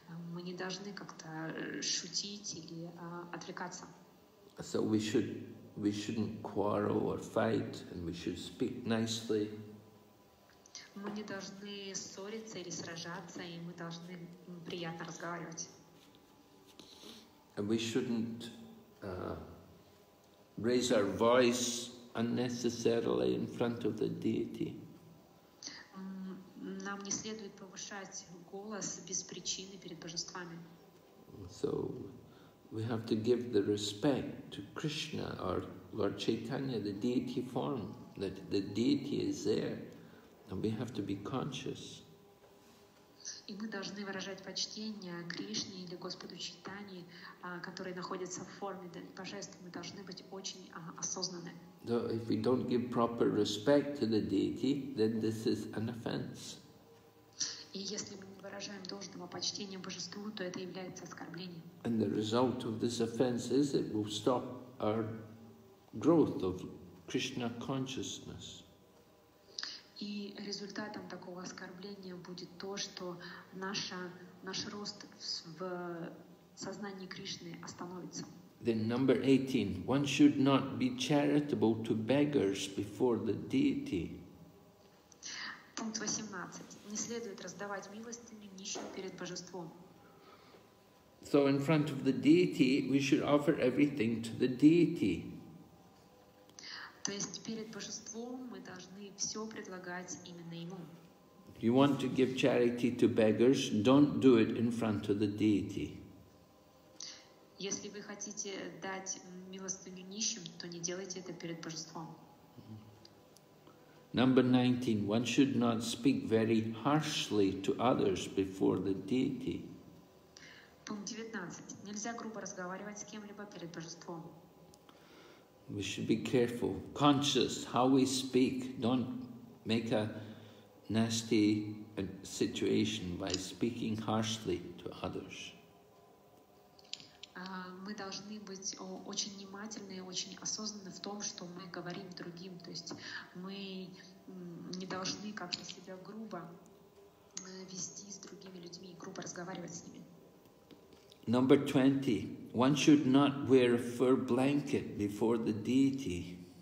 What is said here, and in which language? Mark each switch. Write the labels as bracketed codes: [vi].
[ru] Мы не должны как-то шутить или отвлекаться. [en] So we shouldn't quarrel or fight, and we should speak nicely. [ru] Мы не должны ссориться или сражаться, и мы должны приятно разговаривать. [en] And we shouldn't raise our voice unnecessarily in front of the deity. [ru] Нам не следует повышать голос без причины перед божествами. [en] So we have to give the respect to Krishna or Lord Chaitanya, the deity form, that the deity is there, and we have to be conscious. [ru] И мы должны выражать почтение Кришне или Господу Чайтанье, который находится в форме божества. Мы должны быть очень осознанны. [en] So if we don't give proper respect to the deity, then this is an offense. [ru] И если мы не выражаем должного почтения божеству, то это является оскорблением. [en] And the result of this offense is it will stop our growth of Krishna consciousness. [ru] И результатом такого оскорбления будет то, что наш рост в сознании Кришны остановится. [en] Then number 18. One should not be charitable to beggars before the deity. [ru] Пункт 18. Не следует раздавать милостыню нищим перед божеством. [en] So in front of the deity, we should offer everything to the deity. [ru] То есть перед божеством мы должны все предлагать именно ему. [en] You want to give charity to beggars, don't do it in front of the deity. [ru] Если вы хотите дать милостыню нищим, то не делайте это перед божеством. [en] Number 19. One should not speak very harshly to others before the deity. [ru] Пункт 19. Нельзя грубо разговаривать с кем-либо перед божеством. [en] We should be careful, conscious how we speak. Don't make a nasty situation by speaking harshly to others. [ru] Мы должны быть очень внимательны, очень осознанны в том, что мы говорим другим. То есть мы не должны как-то себя грубо вести с другими людьми, грубо разговаривать с ними. [en] Number 20. One should not wear a fur blanket before the deity.